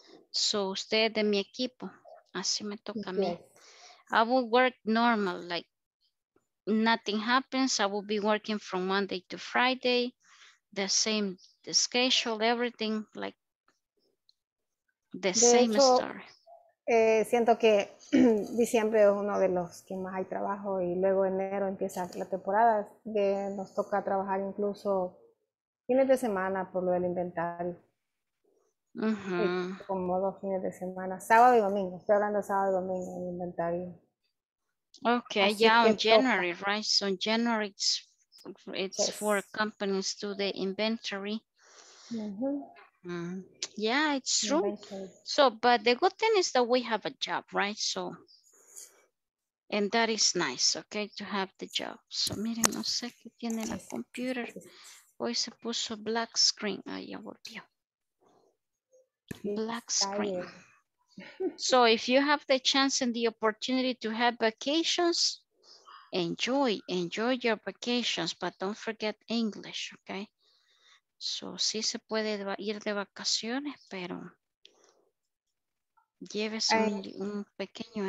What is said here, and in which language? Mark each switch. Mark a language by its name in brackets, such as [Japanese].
[Spanish] So, usted de mi equipo, así me toca a mí. [English] I will work normal, like nothing happens. I will be working from Monday to Friday, the same, the schedule, everything, like the same story. [Spanish] Siento que diciembre es uno de los que más hay trabajo y luego enero empieza la temporada. Nos toca trabajar incluso fines de semana por lo del inventario. Como dos fines de semana, sábado y domingo. Estoy hablando de sábado y domingo en inventario. [English] Okay, así yeah, on January, toca. Right? So January, it's yes, for companies to the inventory. Yeah, it's true. Inventory. So, but the good thing is that we have a job, right? So, and that is nice, okay, to have the job. [Spanish] So, miren, no sé qué tiene la computer. Hoy se puso black screen. Ah, ya volvió. Black screen. [English] So if you have the chance and the opportunity to have vacations, enjoy your vacations, but don't forget English, okay? [Spanish] So sí se puede ir de vacaciones, pero llévese un pequeño.